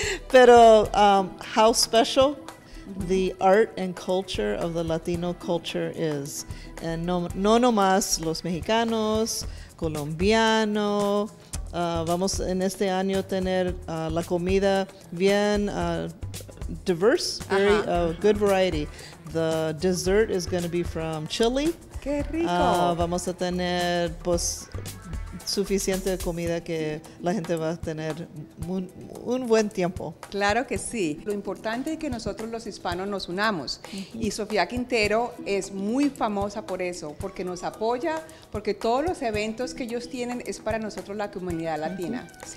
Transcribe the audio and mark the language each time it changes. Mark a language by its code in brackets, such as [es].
[en] Pero, how special the art and culture of the Latino culture is. [es] And no nomás los mexicanos, colombiano. Vamos en este año tener la comida bien diverse, [en] very good variety. The dessert is going to be from Chile. [es] Qué rico. Vamos a tener pues suficiente comida que la gente va a tener un buen tiempo. Claro que sí. Lo importante es que nosotros los hispanos nos unamos. Y Sofía Quintero es muy famosa por eso, porque nos apoya, porque todos los eventos que ellos tienen es para nosotros la comunidad latina.